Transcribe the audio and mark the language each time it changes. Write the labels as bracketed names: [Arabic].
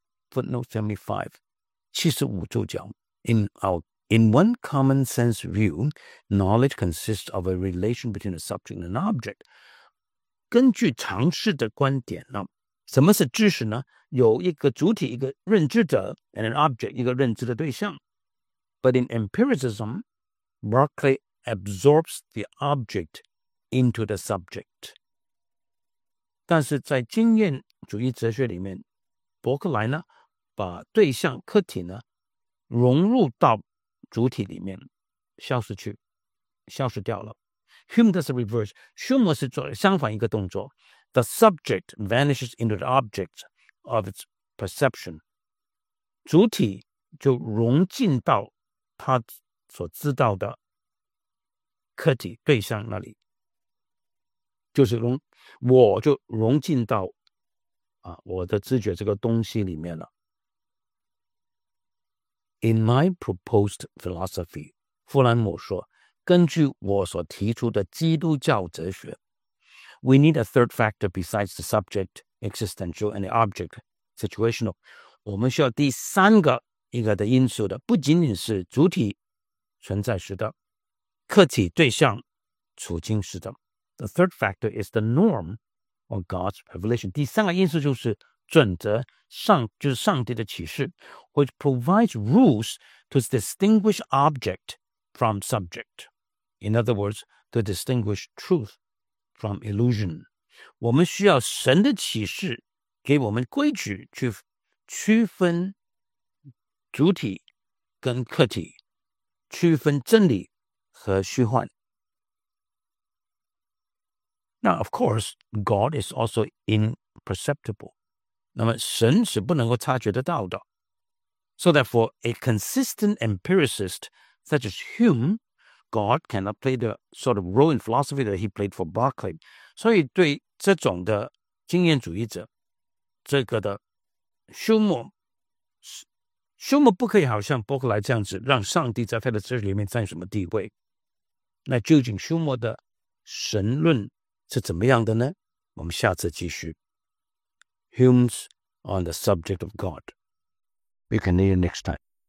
[English] Footnote 75, [Chinese] 75注脚。 [English] In one common sense view, knowledge consists of a relation between a subject and an object. [Chinese] 根据常识的观点呢，什么是知识呢？有一个主体，一个认知者 ， [English] and an object, [Chinese] 一个认知的对象。 [English] But in empiricism, Berkeley absorbs the object into the subject. [Chinese] 但是在经验主义哲学里面，伯克莱呢，把对象客体呢，融入到主体里面，消失掉了。 [English] Hume does the reverse. Hume [Chinese] 是做相反一个动作。 [English] The subject vanishes into the object of its perception. [Chinese] 主体就融进到他所知道的客体对象那里。就是融，我就融进到啊我的知觉这个东西里面了。 [English] In my proposed philosophy, [Chinese] 弗兰姆说，根据我所提出的基督教哲学， [English] We need a third factor besides the subject, existential, and the object, situational. [Chinese] 我们需要第三个一个的因素的，不仅仅是主体存在时的，客体对象处境时的。 [English] The third factor is the norm or God's revelation. [Chinese] 第三个因素就是准则，上就是上帝的启示， [English] which provides rules to distinguish object from subject. In other words, to distinguish truth from illusion. [Chinese] 我们需要神的启示给我们规矩去区分主体跟客体，区分真理和虚幻。 [English] Now, of course, God is also imperceptible. [Chinese] 那么神是不能够察觉得到的。 [English] So therefore, a consistent empiricist such as Hume, God cannot play the sort of role in philosophy that he played for Berkeley. [Chinese] 所以对这种的经验主义者，这个的休谟不可以好像伯克莱这样子让上帝在他的哲学里面占什么地位。那究竟休谟的神论是怎么样的呢？我们下次继续。 [English] Hume's on the subject of God. We can hear you next time.